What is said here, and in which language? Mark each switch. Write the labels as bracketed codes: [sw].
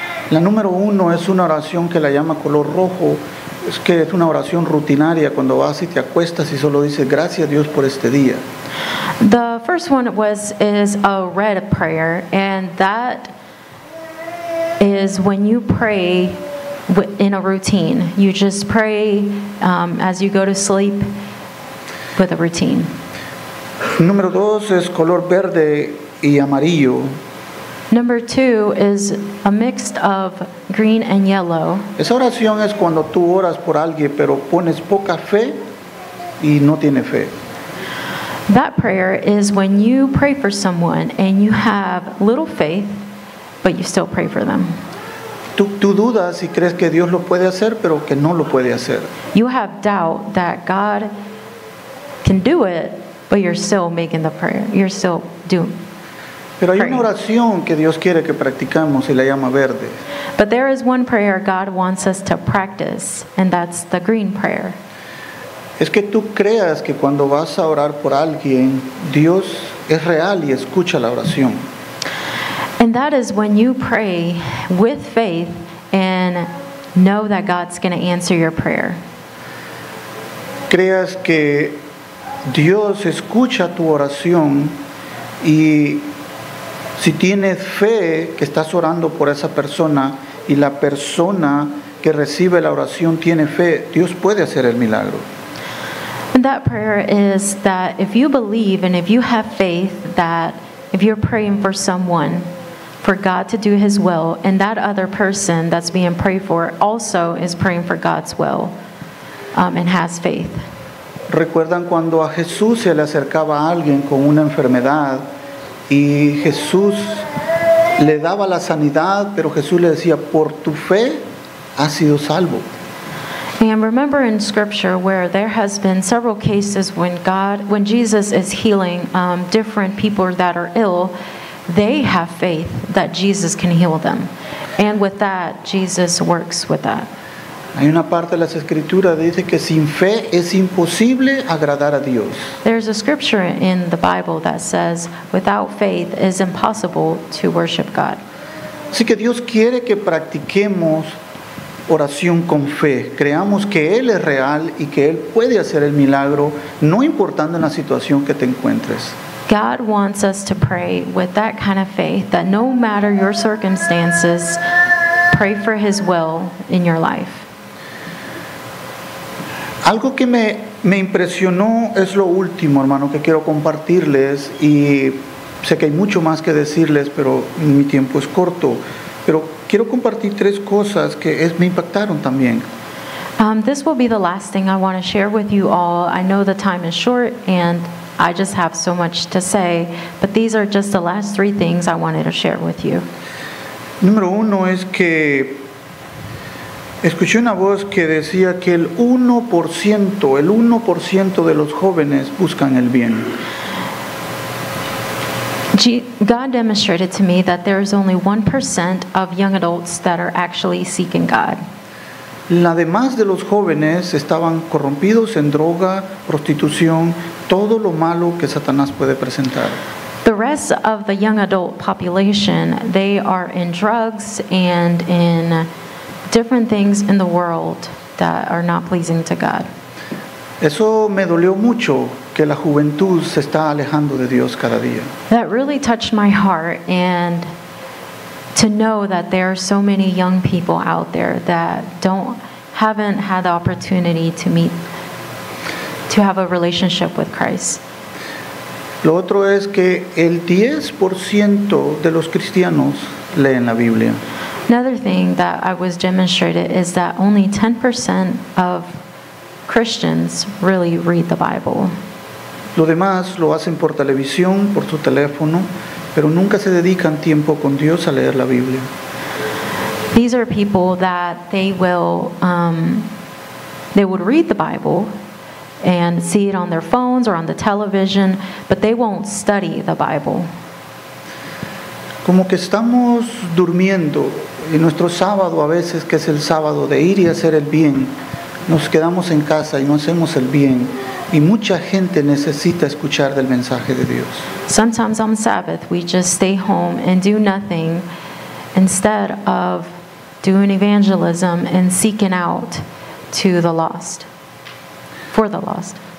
[es] La número uno es una oración que la llama color rojo, es que es una oración rutinaria cuando vas y te acuestas y solo dices gracias a Dios por este día. [en] The first one is a red prayer, and that is when you pray in a routine. You just pray as you go to sleep with a routine. [es] Número dos es color verde y amarillo. [en] Number two is a mix of green and yellow. [es] Esa oración es cuando tú oras por alguien, pero pones poca fe y no tiene fe. [en] That prayer is when you pray for someone and you have little faith, but you still pray for them. [es] Tú dudas y crees que Dios lo puede hacer, pero que no lo puede hacer. [en] You have doubt that God can do it, but you're still making the prayer. You're still doing. [es] Pero hay una oración que Dios quiere que practicamos y la llama verde. [en] But there is one prayer God wants us to practice, and that's the green prayer. [es] Es que tú creas que cuando vas a orar por alguien, Dios es real y escucha la oración. [en] And that is when you pray with faith and know that God's going to answer your prayer. [es] Creas que Dios escucha tu oración y si tienes fe que estás orando por esa persona y la persona que recibe la oración tiene fe, Dios puede hacer el milagro. [en] And that prayer is that if you believe and if you have faith that if you're praying for someone, for God to do his will, and that other person that's being prayed for also is praying for God's will and has faith. [es] ¿Recuerdan cuando a Jesús se le acercaba a alguien con una enfermedad? Y Jesús le daba la sanidad, pero Jesús le decía, por tu fe, has sido salvo. [en] And remember in scripture where there has been several cases when God, when Jesus is healing different people that are ill, they have faith that Jesus can heal them. And with that, Jesus works with that. [es] Hay una parte de las escrituras que dice que sin fe es imposible agradar a Dios. [en] There's a scripture in the Bible that says without faith is impossible to worship God. [es] Así que Dios quiere que practiquemos oración con fe. Creamos que Él es real y que Él puede hacer el milagro, no importando en la situación que te encuentres. [en] God wants us to pray with that kind of faith that no matter your circumstances, pray for His will in your life. [es] Algo que me impresionó es lo último, hermano, que quiero compartirles, y sé que hay mucho más que decirles, pero mi tiempo es corto. Pero quiero compartir tres cosas que me impactaron también. [en] This will be the last thing I want to share with you all. I know the time is short and I just have so much to say, but these are just the last three things I wanted to share with you. [es] Número uno es que escuché una voz que decía que el 1% de los jóvenes buscan el bien. [en] God demonstrated to me that there is only 1% of young adults that are actually seeking God. [es] La demás de los jóvenes estaban corrompidos en droga, prostitución, todo lo malo que Satanás puede presentar. [en] The rest of the young adult population, they are in drugs and in different things in the world that are not pleasing to God. [es] Eso me dolió mucho, que la juventud se está alejando de Dios cada día. [en] That really touched my heart, and to know that there are so many young people out there that haven't had the opportunity to have a relationship with Christ. [es] Lo otro es que el 10% de los cristianos leen la Biblia. [en] Another thing that I was demonstrated is that only 10% of Christians really read the Bible. [es] Lo demás lo hacen por televisión, por su teléfono, pero nunca se dedican tiempo con Dios a leer la Biblia. [en] These are people that they would read the Bible and see it on their phones or on the television, but they won't study the Bible. [es] Como que estamos durmiendo, y nuestro sábado a veces, que es el sábado de ir y hacer el bien, nos quedamos en casa y no hacemos el bien, y mucha gente necesita escuchar del mensaje de Dios. [en] Sometimes on Sabbath we just stay home and do nothing instead of doing evangelism and seeking out to the lost, for the lost.